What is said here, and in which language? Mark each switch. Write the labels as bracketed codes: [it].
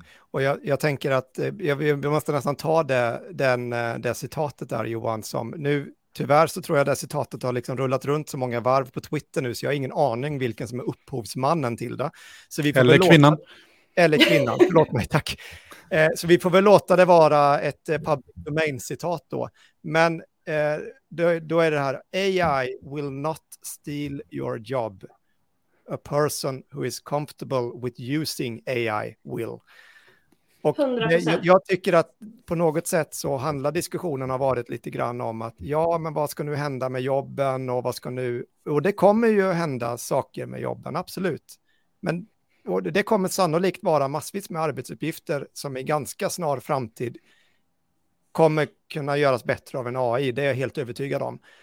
[sv] Och jag tänker att jag måste nästan ta det citatet där, Johan, som nu tyvärr så tror jag det citatet har liksom rullat runt så många varv på Twitter nu, så jag har ingen aning vilken som är upphovsmannen till det. Så vi får kvinnan. Eller kvinnan, förlåt mig, tack. Så vi får väl låta det vara ett public domain-citat då. Men då är det här, [en] AI will not steal your job. A person who is comfortable with using AI will. [sv] Och 100%. Jag tycker att på något sätt så handlar diskussionen har varit lite grann om att ja, men vad ska nu hända med jobben och vad ska nu... Och det kommer ju hända saker med jobben, absolut. Men... Och det kommer sannolikt vara massvis med arbetsuppgifter som i ganska snar framtid kommer kunna göras bättre av en AI. Det är jag helt övertygad om.